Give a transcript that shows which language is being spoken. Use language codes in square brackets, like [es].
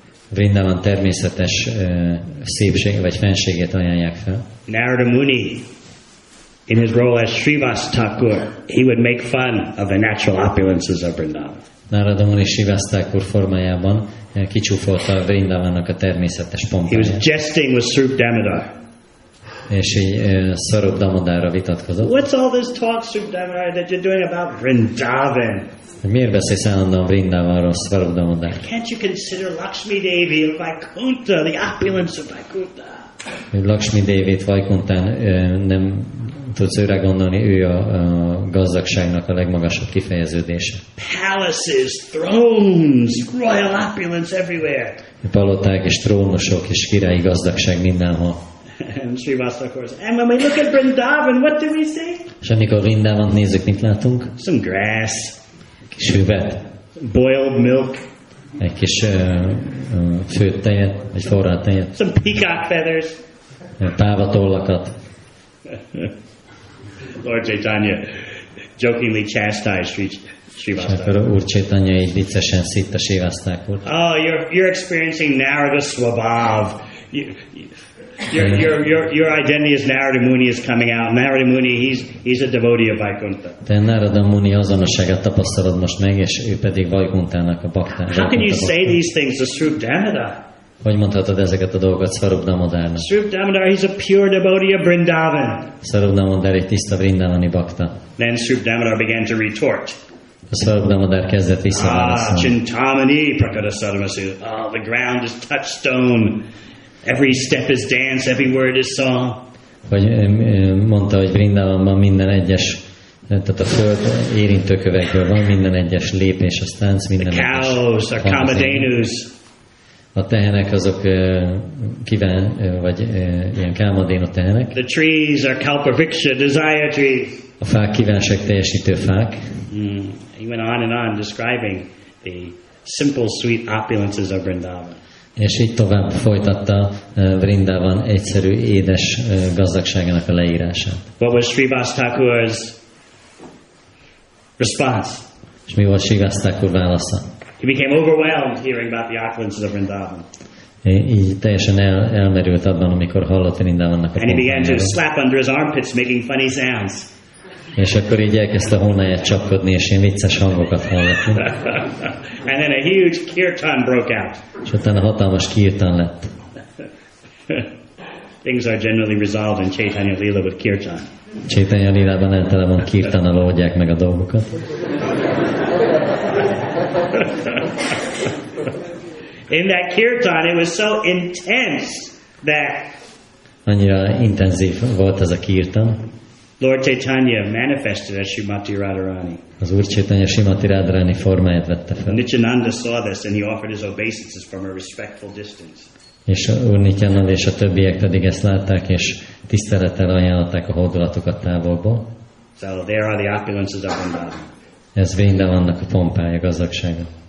[hu] Vrindavan természetes szépsége vagy fenségét ajánlják fel. Narada Muni. [en] In his role as Srivas Thakur, he would make fun of the natural opulences of Vrindavan. [hu] Narada Muni Srivas Thakur formájában kicsúfolta a Vrindavannak a természetes pompáját. [en] He was jesting with Srup Damodar. [hu] És így Srup Damodarra vitatkozott. [en] What's all this talk, Srup Damodar, that you're doing about Vrindavan? [hu] Miért beszélsz állandóan Vrindavanról, Srup Damodar? [en] Can't you consider Lakshmi Devi of Vaikuntha, the opulence of Vaikuntha? [hu] Lakshmi Devit Vaikunthán nem tudsz őre gondolni, ő a gazdagságnak a legmagasabb kifejeződése. [en] Palaces, thrones, royal opulence everywhere. [hu] Paloták és trónusok és királyi gazdagság mindenhol. [en] And Srivastava, of course. And when we look at Vrindavan, what do we see? [hu] És amikor Vrindavant nézzük, mit látunk? [en] Some grass. [hu] Kis hüvet. [en] Boiled milk. [hu] Egy kis főtt tejet, egy forrált tejet. [en] Some peacock feathers. [hu] Pávatollakat. [en] Lord Chaitanya jokingly chastised Srivastava. [hu] Úr Chaitanya így viccesen szitta Srivastavát. [en] Oh, you're experiencing Narada Swabhav. Your identity as Narada Muni is coming out. Narada Muni, he's a devotee of Vaikuntha. [hu] De Narada Muni azonosságát tapasztalod most meg, és ő pedig Vaikunthának a bhakta. [en] How can you say these things to Srup Damodar? [hu] Hogy mondhatod ezeket a dolgokat Srup Damodarnak? [en] Srup Damodar, he's a pure devotee of Vrindavan. [hu] Srup Damodar egy tiszta vrindavani bhakta. [en] Then Srup Damodar began to retort. [hu] Srup Damodar kezdett visszaválaszolni. [en] Ah, [sa] Chintamani Prakata Sarvasu. [en] Oh, the ground is touchstone. Every step is dance, every word is song. [hu] Vagy mondta, hogy Vrindavanban minden egyes, tehát a föld érintőkövekből van minden egyes lépés, az tánc, minden egyes. [en] Cows are kamadenus. [hu] A tehenek azok kíván, vagy ilyen kámadénu tehenek. [en] The trees are kalpaviksha, desire trees. [hu] A fák kívánság teljesítő fák. [en] He went on and on describing the simple, sweet opulences of Vrindavan. [hu] És így tovább folytatta Vrindavan egyszerű édes gazdagságának a leírását. [en] What was Srivastava's response? [hu] És mi volt Srivastava válasza? [en] He became overwhelmed hearing about the opulences of Vrindavan. [hu] Így teljesen elmerült abban, amikor hallott Vrindavannak a pompájáról. [en] And he began to slap under his armpits, making funny sounds. [hu] És akkor így elkezdte a honnáját csapkodni, és ilyen vicces hangokat hallott. [en] And then a huge kirtan broke out. [hu] És utána hatalmas kirtan lett. [en] Things are generally resolved in Chaitanya Lila with kirtan. [hu] Chaitanya Lilában általában kirtanal oldják meg a dolgokat. [en] In that kirtan, it was so intense that [hu] annyira intenzív volt ez a kirtan. [en] Lord Chaitanya manifested as Srimati Radharani. [hu] Az Úr Chaitanya Srimati Radharani formáját vette fel. [en] Nityananda saw this and he offered his obeisances from a respectful distance. [hu] És Úr Nityananda és a többiek pedig ezt látták és tisztelettel ajánlották a hódolatokat távolból. [en] So there are the opulences of Vrindavan. [hu] Ez Vrindavannak a pompája, gazdagsága.